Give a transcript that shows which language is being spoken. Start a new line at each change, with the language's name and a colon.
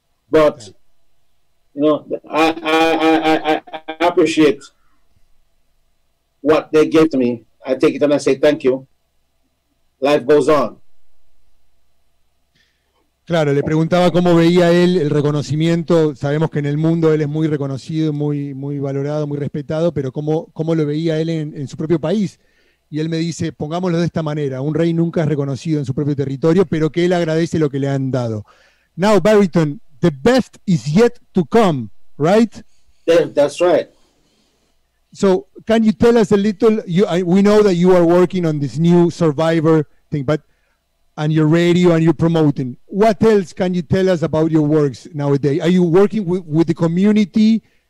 English: But, you know, I appreciate what they gave to me. I take it and I say thank you. Life goes on.
Spanish: Claro, le preguntaba cómo veía él el reconocimiento. Sabemos que en el mundo él es muy reconocido, muy, muy valorado, muy respetado, pero cómo lo veía él en su propio país. Y él me dice, pongámoslo de esta manera, un rey nunca es reconocido en su propio territorio, pero que él agradece lo que le han dado.
English: Now, Barrington, the best is yet to come, right? Yeah, that's right. So, can you tell us a little, we know that you are working on this new Survivor thing, but and your radio and you're promoting. What else can you tell us about your works nowadays? Are you working with the community?